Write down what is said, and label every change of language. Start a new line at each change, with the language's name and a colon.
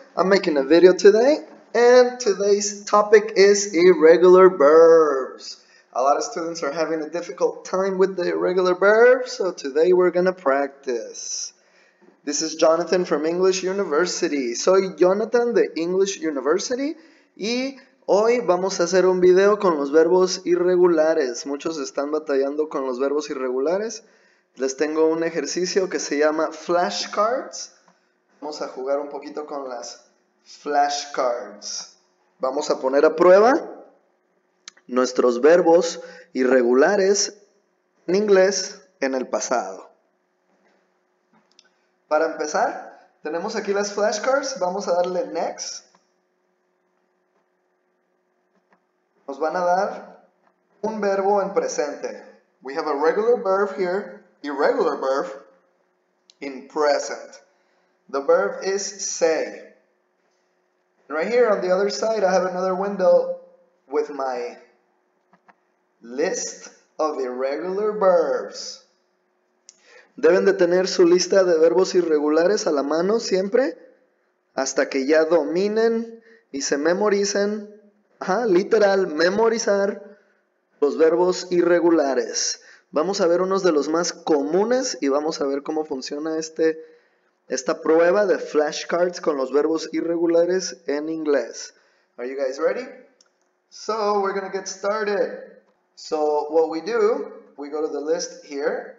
English: I'm making a video today, and today's topic is irregular verbs. A lot of students are having a difficult time with the irregular verbs, so today we're gonna practice. This is Jonathan from English University.
Spanish: Soy Jonathan de English University, y hoy vamos a hacer un video con los verbos irregulares. Muchos están batallando con los verbos irregulares. Les tengo un ejercicio que se llama flashcards. Vamos a jugar un poquito con las flashcards. Vamos a poner a prueba nuestros verbos irregulares en inglés en el pasado. Para empezar, tenemos aquí las flashcards. Vamos a darle next. Nos van a dar un verbo en presente.
English: We have a regular verb here. Irregular verb in present. The verb is say. Right here on the other side, I have another window with my list of irregular verbs.
Spanish: Deben de tener su lista de verbos irregulares a la mano siempre, hasta que ya dominen y se memoricen. Ajá, literal, memorizar los verbos irregulares. Vamos a ver unos de los más comunes y vamos a ver cómo funciona esta prueba de flashcards con los verbos irregulares en inglés.
English: Are you guys ready? So, we're gonna get started. So, what we do, we go to the list here.